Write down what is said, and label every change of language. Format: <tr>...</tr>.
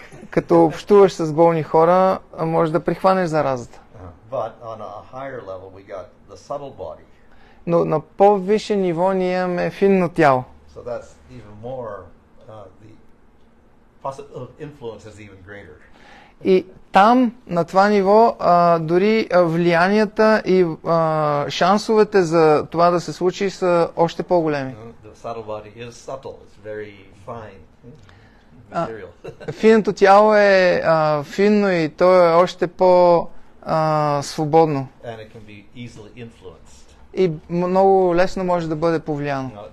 <bg>Като общуваш с болни хора, можеш да прихванеш заразата.</bg> <en>But on a higher level we got the subtle body.</en> <bg>Но на по-висше ниво ние имаме финно тяло.</bg> <en>So that's even more the possible influence is even greater.</en> <bg>И там на това ниво дори влиянията и шансовете за това да се случи са още по-големи.</bg> <en>The subtle body is subtle, it's very fine.</en> <bg>Финното тяло е финно и то е още по свободно.</bg> <en>And it can be easily influenced.</en> <bg>И много лесно може да бъде повлияно.</bg>